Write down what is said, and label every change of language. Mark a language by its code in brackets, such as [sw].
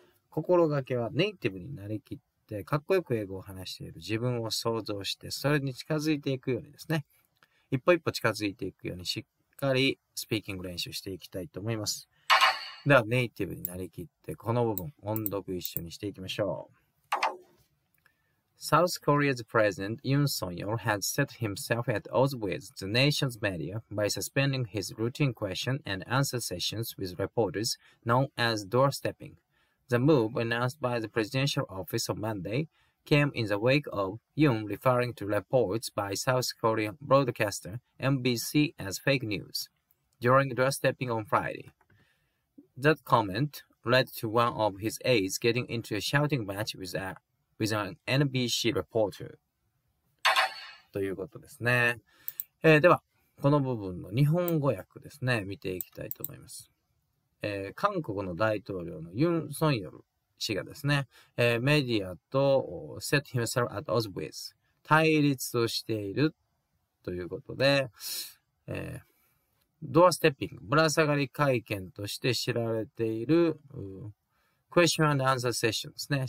[ja] 心がけはネイティブになりきって、かっこよく英語を話している自分を想像して、それに近づいていくようにですね、一歩一歩近づいていくようにしっかりスピーキング練習していきたいと思います。では、ネイティブになりきって、この部分、音読一緒にしていきましょう。 [en] South Korea's President Yoon Suk-yeol has set himself at odds with the nation's media by suspending his routine question and answer sessions with reporters known as doorstepping. The move announced by the presidential office on Monday came in the wake of Yoon referring to reports by South Korean broadcaster MBC as fake news during doorstepping on Friday. That comment led to one of his aides getting into a shouting match with an NBC reporter. [ja] ということですね。では、この部分の日本語訳ですね、見ていきたいと思います。韓国の大統領のユン・ソンヨル氏がですね、メディアと [en] set himself at odds with [ja] 対立をしているということで、ドアステッピング、ぶら下がり会見として知られている、 [en] question and answer session [ja] ですね。